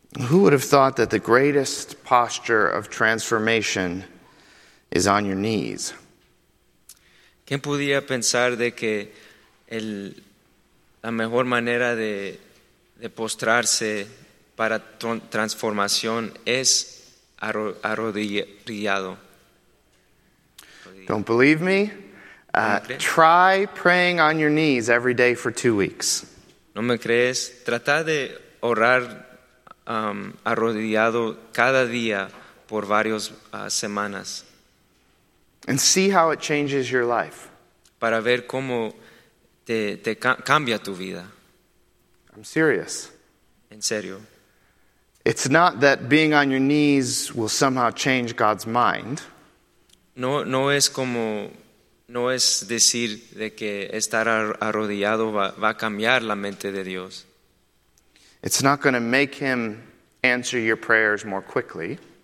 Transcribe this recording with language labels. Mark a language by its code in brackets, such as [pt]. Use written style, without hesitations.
[en] Who would have thought that the greatest posture of transformation is on your knees? [es] ¿Quién podía pensar de que la mejor manera de postrarse para transformación es arrodillado? [en] Don't believe me? Try praying on your knees every day for 2 weeks. [es] ¿No me crees? Trata de orar arrodillado cada día por varias semanas. [en] And see how it changes your life. [es] Para ver cómo te cambia tu vida. [en] I'm serious. [es] En serio. [en] It's not that being on your knees will somehow change God's mind. [es] No es como, no es decir de que estar arrodillado va a cambiar la mente de Dios. [en] It's not going to make him answer your prayers more quickly.